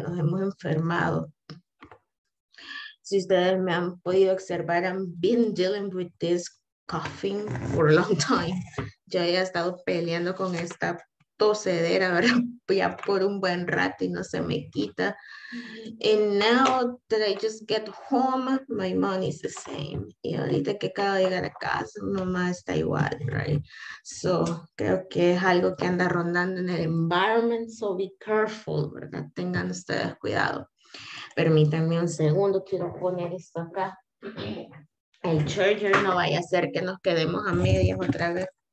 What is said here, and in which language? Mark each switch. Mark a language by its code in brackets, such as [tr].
[es] Nos hemos enfermado. Si ustedes me han podido observar, [en] I've been dealing with this coughing for a long time. [es] Yo he estado peleando con esta tosedera, ¿verdad? Ya por un buen rato y no se me quita. [en] And now that I just get home, my mom is the same. [es] Y ahorita que acabo de llegar a casa, mamá está igual, right? So, creo que es algo que anda rondando en el environment, [en] so be careful, [es] ¿verdad? Tengan ustedes cuidado. Permítanme un segundo, quiero poner esto acá. El charger, no vaya a ser que nos quedemos a medias otra vez.